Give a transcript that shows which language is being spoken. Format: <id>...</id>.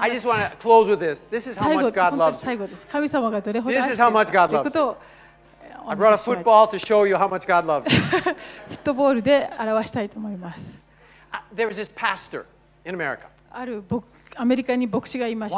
<en>ない。I just want to close with this. This is how much God loves.</en> <ja>最後です。神様がどれほど。</ja> <en>This is how much God loves. I brought a football to show you how much God loves.</en> <ja>フットボールで表したいと思います。</ja> <en>There was this pastor in America.</en> <ja>あるアメリカに牧師がいました。</ja>